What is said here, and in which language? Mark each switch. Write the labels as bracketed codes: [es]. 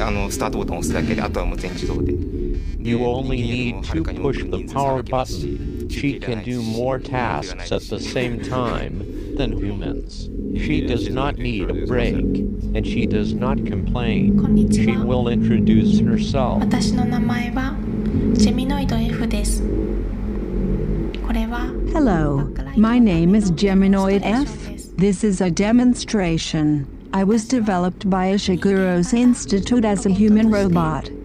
[ja] スタートボタンを押すだけで、あとはもう全自動で。 [en] You only need to push the power button. She can do more tasks at the same time than humans. She does not need a break, and she does not complain. She will introduce herself. [ja] 私の名前はジェミノイド F です。これは。 [en] Hello, my name is Geminoid F. This is a demonstration. I was developed by Ishiguro's Institute as a human robot.